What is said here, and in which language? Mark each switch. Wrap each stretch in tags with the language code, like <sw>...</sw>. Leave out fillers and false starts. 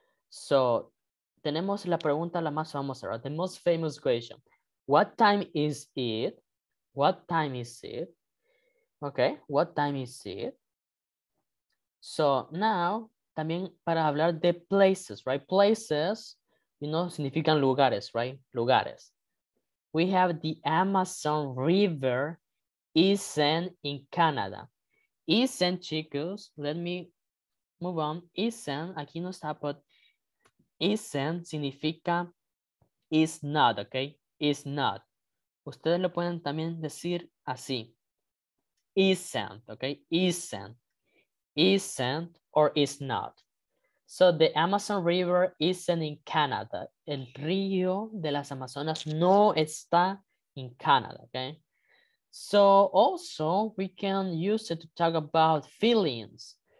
<es>So, tenemos la pregunta la más famosa, right?</es> <en>The most famous question. What time is it? What time is it? Okay, what time is it?</en> <es>So, now, también para hablar de places, right? Places, you know, significan lugares, right? Lugares.</es> <en>We have the Amazon River isn't in Canada. Isn't, chicos, let me move on. Isn't,</en> <es>aquí no está,</es> <en>but</en> <es>Isn't significa is not, ¿ok? Is not. Ustedes lo pueden también decir así. Isn't, ¿ok? Isn't.</es> <en>Isn't or is not. So the Amazon River isn't in Canada.</en> <es>El río de las Amazonas no está in Canada, ¿ok?</es> <en>So also we can use it to talk about feelings.</en>